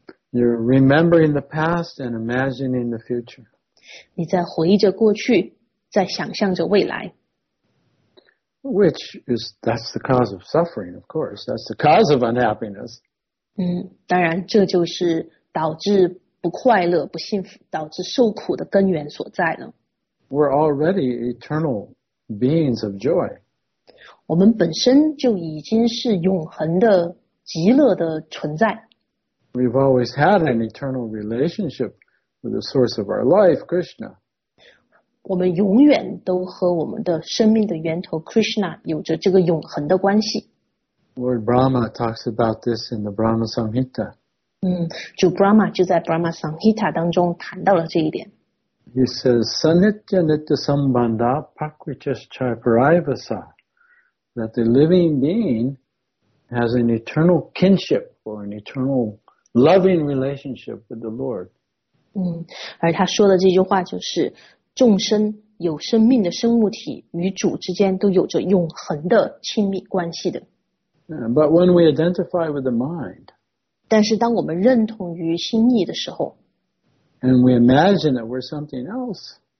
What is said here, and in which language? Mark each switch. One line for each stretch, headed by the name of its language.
English: You're remembering the past and imagining the future.
Chinese: 你在回忆着过去，在想象着未来。
English: Which is, that's the cause of suffering, of course. That's the cause of unhappiness.
Chinese: 当然这就是导致不快乐、不幸福、导致受苦的根源所在了。
English: We're already eternal beings of joy.
Chinese: 我们本身就已经是永恒的极乐的存在。
English: We've always had an eternal relationship with the source of our life, Krishna.
Chinese: 我们永远都和我们的生命的源头 Krishna 有着这个永恒的关系。
English: Lord Brahma talks about this in the Brahma Samhita.
Chinese: 主 Brahma 就在 Brahma Samhita 当中谈到了这一点。
English: He says,
Sanskrit: Sanitya Nitya Sambandha Prakritis Chaiparivasa,
English: that the living being has an eternal kinship or an eternal loving relationship with the Lord.
Chinese: 而他说的这句话就是，众生有生命的生物体与主之间都有着永恒的亲密关系的。
English: But when we identify with the mind,
Chinese: 但是当我们认同于心意的时候，
English: and we imagine that we're something else,